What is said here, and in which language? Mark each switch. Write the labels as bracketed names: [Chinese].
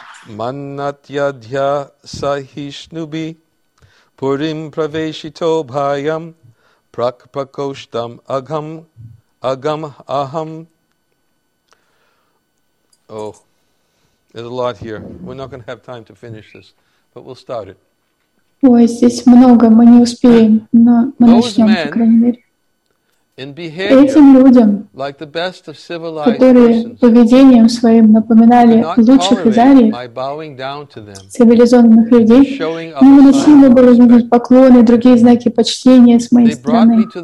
[Sanskrit] Маннатья дья сахишнуби пурим правешито бхайам пракпакоштам агам агам ахам. [English] Oh, there's a lot here. We're not going to have time to finish this, but we'll start it. [Russian] Ой, здесь много, мы не успеем, но мы начнем, по крайней мере. Этим людям, которые поведением своим напоминали лучших из арий, цивилизованных людей, невыносимо было видеть поклоны, другие знаки почтения с моей стороны.